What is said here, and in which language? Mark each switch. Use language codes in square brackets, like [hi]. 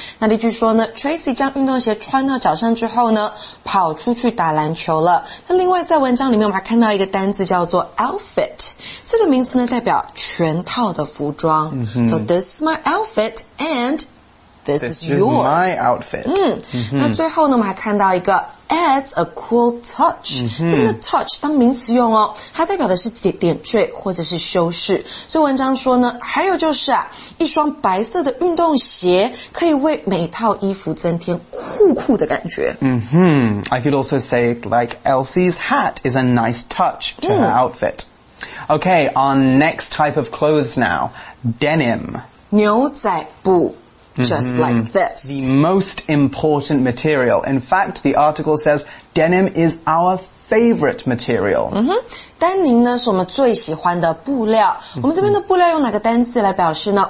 [zh] 那这句说呢 Tracy 将运动鞋穿到脚上之后呢跑出去打篮球了。那另外在文章里面我们还看到一个单字叫做 outfit. 这个名词呢代表全套的服装。 Mm-hmm. [en] So this is my outfit and this is yours. This is my outfit.、 [zh] Mm-hmm. 那最后呢我们还看到一个 [en] Adds a cool touch. [zh] 这边的 touch 当名词用哦，它代表的是点缀或者是修饰。所以文章说呢，还有就是啊，一双白色的运动鞋可以为每套衣服增添酷酷的感觉。 [en] Mm-hmm. I could also say like Elsie's hat is a nice touch to her outfit. Okay, on next type of clothes now, denim. 牛仔布。Just like this. The most important material. In fact, the article says, denim is our favorite material. Mm-hmm. [zh] 丹宁呢是我们最喜欢的布料。我们这边的布料用哪个单字来表示呢？